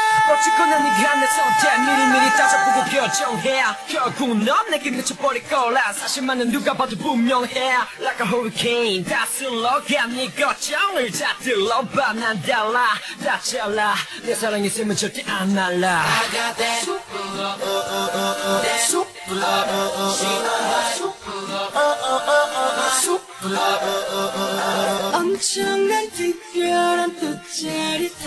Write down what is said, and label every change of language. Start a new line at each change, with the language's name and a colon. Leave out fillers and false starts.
Korean: 어쨌거나 네가 내 상태 미리미리 따져보고 결정해 결국 넌 내게 미쳐버릴 거라 사실만은 누가 봐도 분명해
English: Like a hurricane
Korean: 다 쓸어가 네 걱정을 다 들어봐 난 달라 다 잘라 내 사랑이 있으면 절대 안 날라
English: I got that super love That super love She know my super love Super love
Korean: 엄청난 특별한 또 짜릿한